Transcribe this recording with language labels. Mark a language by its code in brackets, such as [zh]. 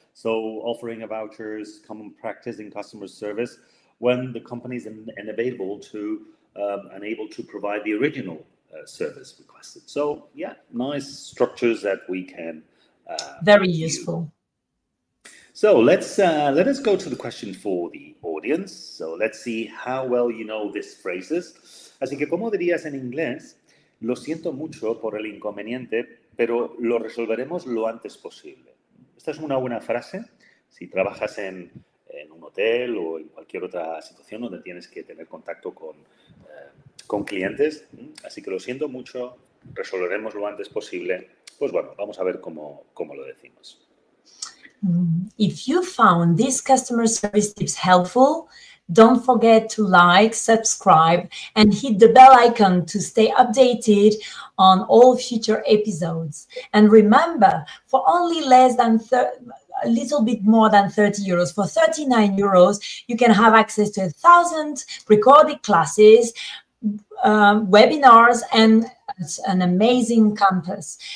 [en] So offering a voucher is common practice in customer service when the company is unable to provide the original service requested. So yeah, nice structures that we can very useful. So let's let us go to the question for the audience. So let's see how well you know this phrases. [es] Así que, ¿cómo dirías en inglés? Lo siento mucho por el inconveniente, pero lo resolveremos lo antes posible. Esta es una buena frase. Si trabajas en un hotel o en cualquier otra situación donde tienes que tener contacto con clientes, así que lo siento mucho, resolveremos lo antes posible. Pues bueno, vamos a ver cómo lo decimos. [en] If you found these customer service tips helpful, don't forget to like, subscribe, and hit the bell icon to stay updated on all future episodes. And remember, for only less than a little bit more than 30 euros, for 39 euros, you can have access to 1,000 recorded classes, webinars, and it's an amazing campus.